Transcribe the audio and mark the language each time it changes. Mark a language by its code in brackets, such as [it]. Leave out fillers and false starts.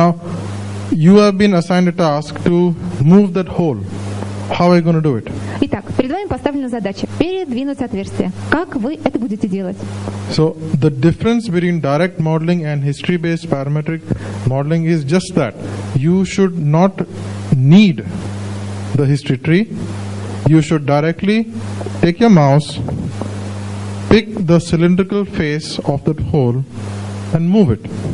[en] Now you have been assigned a task to move that hole. How are you going to do it? [ru] Итак, перед вами поставлена задача передвинуть отверстие. Как вы это будете делать? [en] So the difference between direct modeling and history-based parametric modeling is just that you should not need the history tree. You should directly take your mouse, pick the cylindrical face of that hole, and move it.